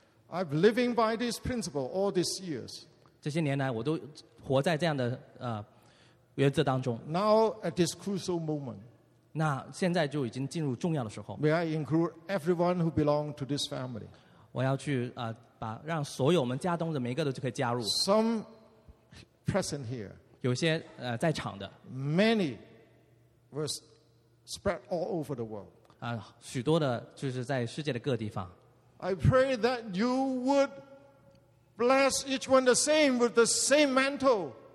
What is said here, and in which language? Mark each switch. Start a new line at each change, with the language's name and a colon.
English: I've living by this principle all these years.
Chinese: 这些年来我都活在这样的,
English: Now, at this crucial moment, may I include everyone who belongs to this family?
Chinese: 我要去, 把让所有我们家中的每一个都可以加入,
English: Some present here,
Chinese: 有些, 在场的,
English: many were spread all over the world.
Chinese: 许多的就是在世界的各地方,
English: I pray that you would bless each one the same with the same mantle.